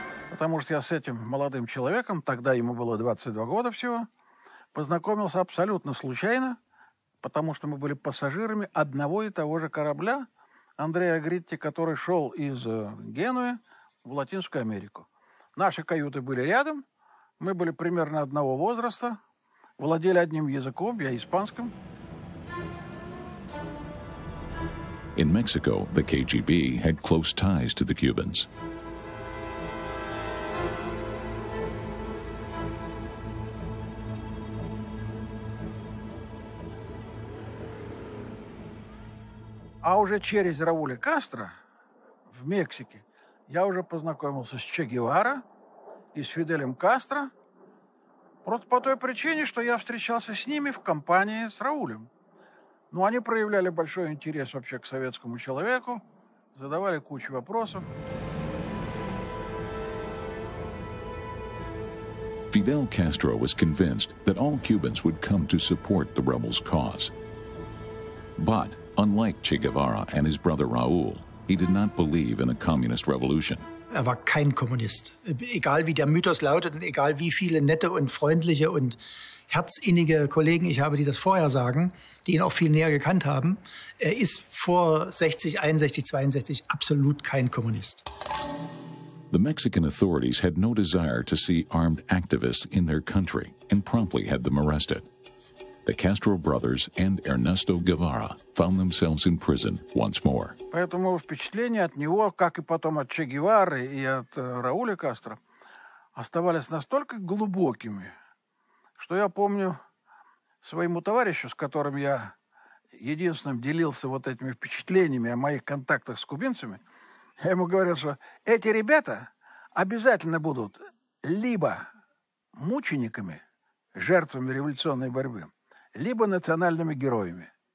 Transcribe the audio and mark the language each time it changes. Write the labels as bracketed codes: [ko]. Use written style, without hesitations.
[ru] Потому что я с этим молодым человеком, тогда ему было 22 года всего, познакомился абсолютно случайно, потому что мы были пассажирами одного и того же корабля, Андреа Гритти, который шел из Генуи в Латинскую Америку. Наши каюты были рядом, мы были примерно одного возраста, владели одним языком, я испанским. [en] In Mexico, the KGB had close ties to the Cubans. [ru] А уже через Рауля Кастро в Мексике я уже познакомился с Че Геварой и с Фиделем Кастро просто по той причине, что я встречался с ними в компании с Раулем. Ну, они проявляли большой интерес вообще к советскому человеку, задавали кучу вопросов. [en] Фидель Кастро was convinced that all Cubans would come to support the rebels' cause. But unlike Che Guevara and his brother Raúl, he did not believe in a communist revolution. [de] Er war kein Kommunist. Egal wie der Mythos lautet und egal wie viele nette und freundliche und herzinnige Kollegen ich habe, die das vorher sagen, die ihn auch viel näher gekannt haben, er ist vor 60, 61, 62 absolut kein Kommunist. [en] The Mexican authorities had no desire to see armed activists in their country and promptly had them arrested. The Castro brothers and Ernesto Guevara found themselves in prison once more. [ru] Поэтому впечатления от него, как и потом от Че Гевары и от Рауля Кастро, оставались настолько глубокими, что я помню своему товарищу, с которым я единственным делился вот этими впечатлениями о моих контактах с кубинцами, я ему говорил, что эти ребята обязательно будут либо мучениками, жертвами революционной борьбы, либо национальными героями.